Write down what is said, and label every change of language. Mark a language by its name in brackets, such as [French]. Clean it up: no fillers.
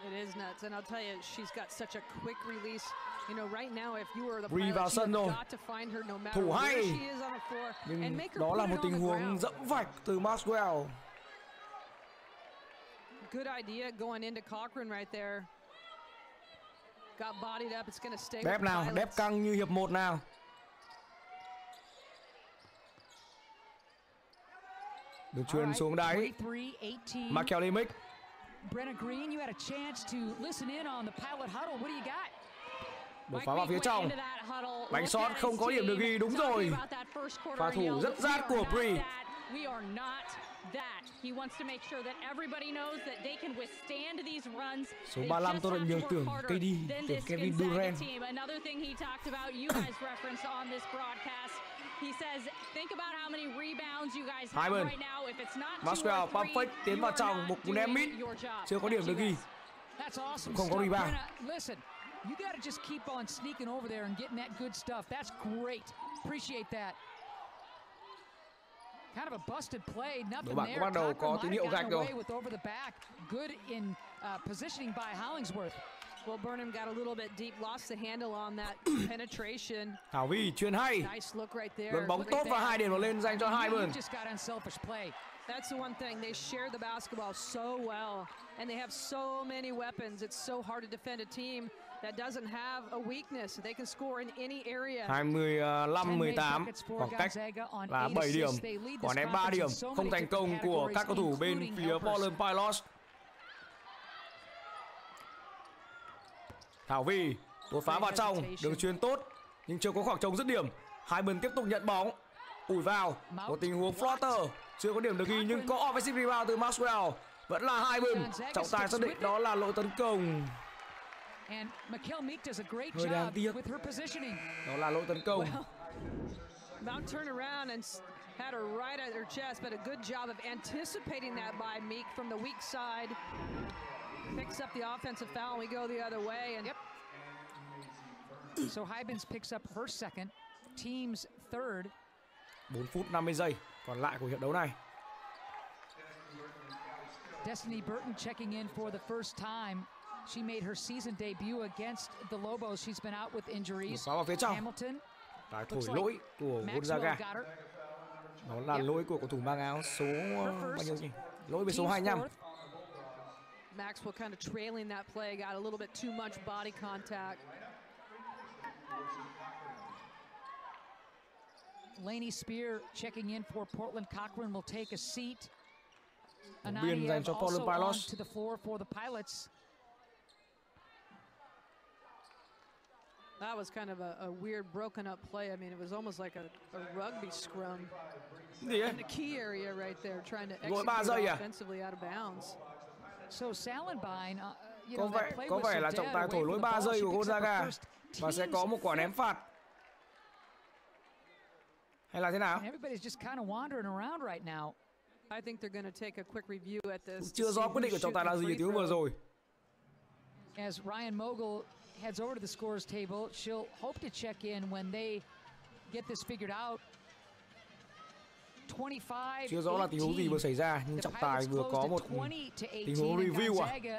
[English] It is nuts, and I'll tell you, she's got such a quick release. You know, right now, if you were the Bree pilot, you've got to find her no matter where she is on the floor. [Vietnamese] Nhưng [English] and make her [Vietnamese] đó là một tình huống dẫm vạch từ Maxwell. [English] Good idea going into Cochran right there. Got bodied up. It's going to stay. [Vietnamese] Đẹp nào, đẹp căng như hiệp một nào. Được truyền xuống đáy. Michael Limick. [English] Brenna Green, you had a chance to listen in on the pilot huddle. What do you got? [Vietnamese] Đột phá vào phía trong. Bánh sót không có điểm được ghi, đúng rồi. Pha thủ rất rát của Bree. [English] We are not that. He wants to make sure that everybody knows that they can withstand these runs. [Vietnamese] Số 35 tôi lại nhớ tưởng KD, tưởng Kevin Durant. [English] Another thing he talked about, you guys referenced on this broadcast. He says, think about how many rebounds you guys have right now. If it's not [Vietnamese] Maxwell, perfect, tiến vào trong, một cú ném mid. Chưa có điểm được ghi. Không có rebound. [English] Listen, you got to just keep on sneaking over there and getting that good stuff. That's great. Appreciate that. Kind of a busted play. Nothing there. [Vietnamese] Đội bạn đầu có tín hiệu gạch rồi. [English] Over the back. Good in positioning by Hollingsworth. Well, Burnham got a little bit deep, lost the handle on that penetration. [Vietnamese] Thảo Vy chuyền hay. [English] Nice look right there. [Vietnamese] Đường bóng tốt và hai điểm vào lên dành cho hai bên. [English] Just got unselfish play. That's the one thing. They share the basketball so well, and they have so many weapons. It's so hard to defend a team that doesn't have a weakness. They can score in any area. [Vietnamese] 25-18, khoảng cách là 7 điểm. Quả ném 3 điểm không thành công của các cầu thủ bên phía Portland Pilots. Thảo Vy đột phá vào trong, đường truyền tốt nhưng chưa có khoảng trống dứt điểm. Hai bên tiếp tục nhận bóng, ủi vào một tình huống floater, chưa có điểm được ghi nhưng có offensive rebound từ Maxwell. Vẫn là hai bên, trọng tài xác định đó là lỗi tấn công. Hơi đáng tiếc, đó là lỗi tấn công. [English] Mount turned around and had her right at her chest, but a good job of anticipating that by Meek from the weak side. Picks up the offensive foul and we go the other way. And yep. So Hybens picks up her second, team's third. [Vietnamese] 4 phút 50 giây còn lại của hiệp đấu này. [English] Destiny Burton checking in for the first time. She made her season debut against the Lobos. She's been out with injuries. [Vietnamese] Vào phía trong. Hamilton. Tài thổi like lỗi của Gonzaga. Nó là yep. Lỗi của cầu thủ mang áo số bao nhiêu nhỉ? Lỗi về số 25. [English] Fourth. Maxwell kind of trailing that play, got a little bit too much body contact. Laney Spear checking in for Portland. Cochran will take a seat. Anaya also on to the floor for the Pilots. That was kind of a weird broken up play. I mean, it was almost like a rugby scrum. Yeah. In the key area right there, trying to execute offensively out of bounds. So Salenbein, [Vietnamese] có vẻ là trọng tài thổi lỗi 3 giây của Gonzaga và sẽ có một quả ném phạt. Hay là thế nào? [English] Everybody's just kind of wandering around right now. I think they're going to take a quick review at this. [Vietnamese] Chưa rõ quyết định của trọng tài là gì tiếng vừa rồi. [English] As Ryan Mogul heads over to the scores table, she'll hope to check in when they get this figured out. 25, [Vietnamese] chưa rõ là tình huống gì vừa xảy ra, nhưng trọng tài vừa có một tình huống review à.